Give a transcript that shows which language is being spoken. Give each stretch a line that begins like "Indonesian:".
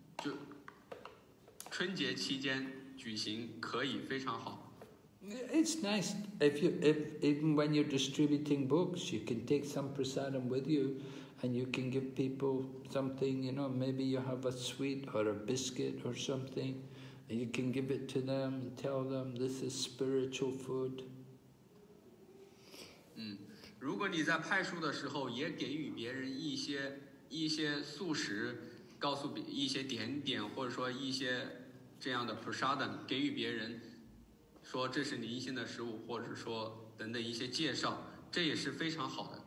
Chinese: 就春节期间举行可以非常好。
English: It's nice if you if even when you're distributing books, you can take some prasadam with you, and you can give people something. You know, maybe you have a sweet or a biscuit or something, and you can give it to them and tell them this is spiritual food.
Chinese: 嗯，如果你在派书的时候也给予别人一些素食，告诉一些点点或者说一些这样的 prasadam 给予别人。说这是灵性的食物，或者说等等一些介绍，这也是非常好的。